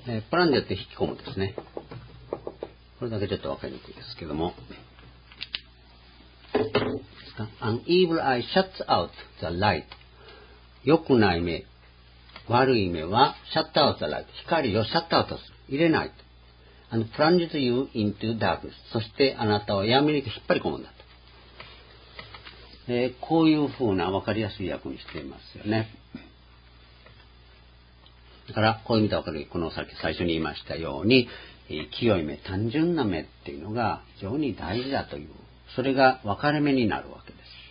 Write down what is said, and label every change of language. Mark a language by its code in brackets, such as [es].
[ja] プランによって引き込むですね。これだけちょっと分かりにくいですけども。 [en] An evil eye shuts out the light. [ja] 良くない目、悪い目は、 [en] shut out the light. [ja] 光をシャットアウトする。入れない。 [en] And plunges you into darkness. [ja] そしてあなたを闇に引っ張り込むんだと。こういうふうな分かりやすい訳にしていますよね。だから、こういう意味で分かる、この先、最初に言いましたように、清い目、単純な目っていうのが非常に大事だという、それが分かれ目になるわけです。